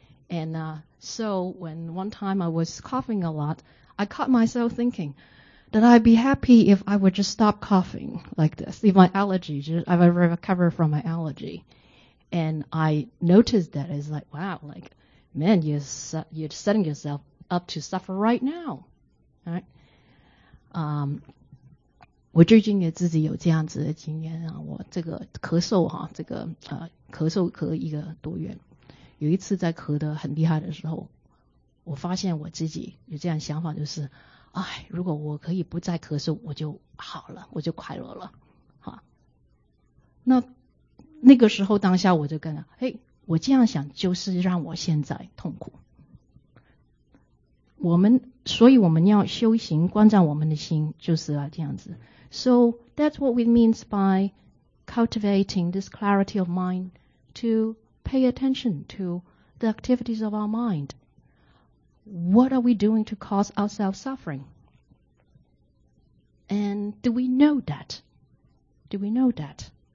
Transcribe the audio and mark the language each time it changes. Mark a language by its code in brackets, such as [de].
[en] And so when one time I was coughing a lot, I caught myself thinking that I'd be happy if I would just stop coughing like this, if I recover from my allergy. And I noticed that it's like, wow, like, man, you're setting yourself up to suffer right now, right? [zh] 我最近也自己有这样子的经验啊，我这个咳嗽哈，这个咳嗽咳一个多月，有一次在咳得很厉害的时候，我发现我自己有这样想法，就是，哎，如果我可以不再咳嗽，我就好了，我就快乐了，哈。那个时候当下我就跟了，嘿。我这样想就是让我现在痛苦。所以我们要修行观照我们的心，就是啊这样子。 [en] So that's what we means by cultivating this clarity of mind to pay attention to the activities of our mind. What are we doing to cause ourselves suffering? And do we know that? Do we know that?